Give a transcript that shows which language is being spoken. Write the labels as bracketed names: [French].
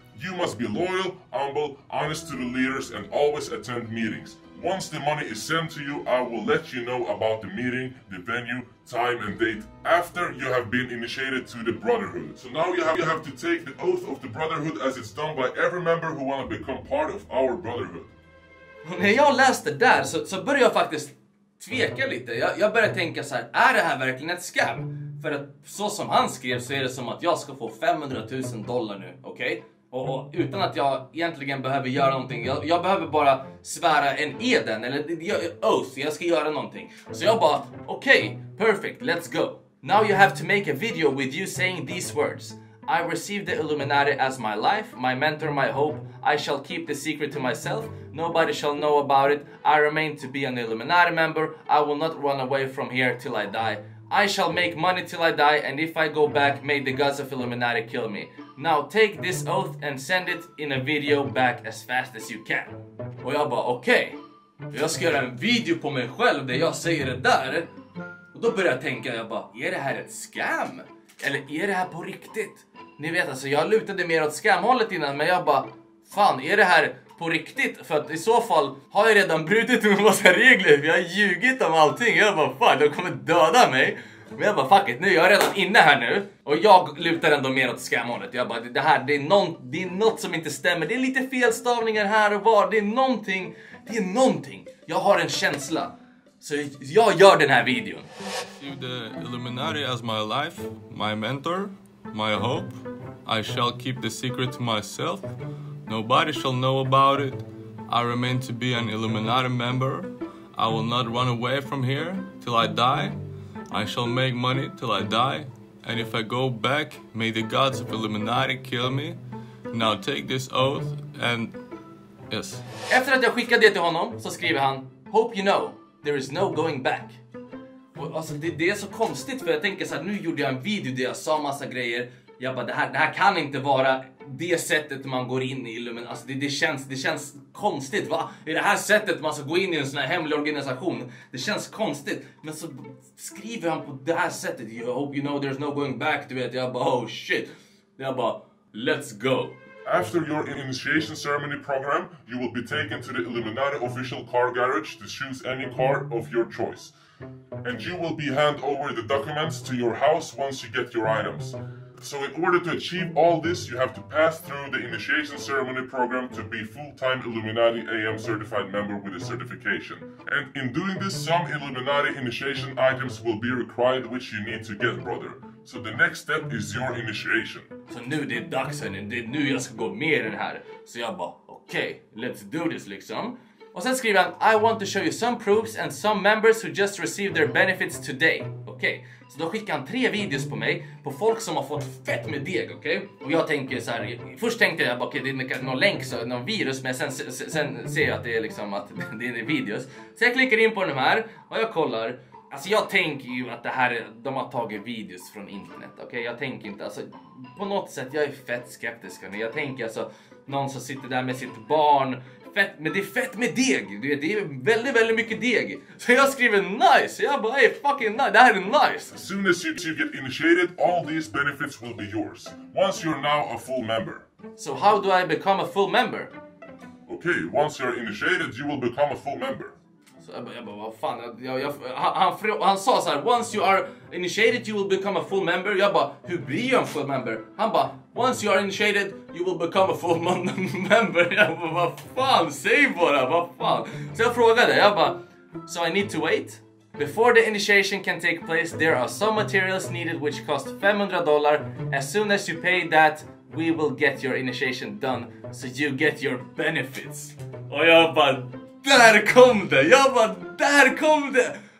[English] You must be loyal, humble, honest to the leaders, and always attend meetings. Once the money is sent to you, I will let you know about the meeting, the venue, time and date after you have been initiated to the Brotherhood. So now you have to take the oath of the Brotherhood as it's done by every member who want to become part of our Brotherhood. [Swedish] När jag läste där så började jag faktiskt tveka lite. Jag började tänka så här, är det här verkligen ett scam? För att så som han skrev så är det som att jag ska få $500,000 nu, okej? Okay? Och utan att jag egentligen behöver göra någonting. Jag behöver bara svära en eden. Eller oath, jag ska göra någonting. Så jag bara, okej, [English] perfect, let's go. Now you have to make a video with you saying these words. I received the Illuminati as my life, my mentor, my hope. I shall keep the secret to myself. Nobody shall know about it. I remain to be an Illuminati member. I will not run away from here till I die. I shall make money till I die. And if I go back, may the gods of Illuminati kill me. Now take this oath and send it in a video back as fast as you can. [Swedish] Och jag bara, okej. Okay. Jag ska göra en video på mig själv där jag säger det där. Och då börjar jag tänka, jag bara, är det här ett scam? Eller är det här på riktigt? Ni vet alltså, jag lutade mer åt scamhållet innan. Men jag bara, fan, är det här på riktigt? För att i så fall har jag redan brutit en massa regler. Jag har ljugit om allting. Jag bara, fan, de kommer döda mig. Men jag bara, fuck it, nu är jag redan inne här nu. Och jag lutar ändå mer åt scamhållet. Jag bara, det är något som inte stämmer. Det är lite felstavningar här och var. Det är någonting. Jag har en känsla. Så jag gör den här videon. [English] The Illuminati as my life, my mentor, my hope. I shall keep the secret to myself. Nobody shall know about it. I remain to be an Illuminati member. I will not run away from here till I die. I shall make money till I die, and if I go back, may the gods of Illuminati kill me. Now take this oath and... Yes. [Swedish] Efter att jag skickade det till honom så skriver han, [English] hope you know, there is no going back. [Swedish] Alltså det är så konstigt, för jag tänker så här, nu gjorde jag en video där jag sa massa grejer. Jag bara, det här kan inte vara det sättet man går in i Illuminati. Alltså det känns konstigt, va? Är det här sättet man ska gå in i en sån här hemlig organisation? Det känns konstigt. Men så skriver han på det här sättet. [English] I hope you know there's no going back. [Swedish] Du vet, jag bara, [English] oh shit. [Swedish] Jag bara, [English] let's go. After your initiation ceremony program, you will be taken to the Illuminati official car garage to choose any car of your choice. And you will be hand over the documents to your house once you get your items. So in order to achieve all this, you have to pass through the initiation ceremony program to be full-time Illuminati AM certified member with a certification. And in doing this, some Illuminati initiation items will be required, which you need to get, brother. So the next step is your initiation. [Swedish] Så nu det är dags, hörni. Det är nu jag ska gå med i den här. Så jag bara, okej, [English] let's do this, [Swedish] liksom. Och sen skriver han, [English] I want to show you some proofs and some members who just received their benefits today. [Swedish] Okej, okay. Så då skickar han 3 videos på mig på folk som har fått fett med deg, okej? Okay? Och jag tänker så här, först tänkte jag, okej, okay, det är någon länk, så, någon virus, men sen ser jag att det är liksom att det är videos. Så jag klickar in på de här och jag kollar. Alltså jag tänker ju att det här, de har tagit videos från internet, okej? Okay? Jag tänker inte, alltså på något sätt, jag är fett skeptisk. Men jag tänker alltså, någon som sitter där med sitt barn, fett, men det är fett med deg, du vet, det är väldigt, väldigt mycket deg. Så jag skriver nice, jag bara, [English] hey, fucking nice, [Swedish] det här är nice. [English] As soon as you get initiated, all these benefits will be yours, once you're now a full member. So how do I become a full member? Okay, once you're initiated, you will become a full member. [Swedish] Jag bara, vad fan, han sa så här, [English] once you are initiated you will become a full member. [Swedish] Jag bara, hur blir jag en full member? Han bara, [English] once you are initiated you will become a full member. [Swedish] Jag bara, vad fan, säg bara, vad fan. Så jag frågade, jag bara, [English] so I need to wait? Before the initiation can take place there are some materials needed which cost $500. As soon as you pay that we will get your initiation done so you get your benefits. [Swedish] Och jag bara, där kom det, jag bara, där kom det.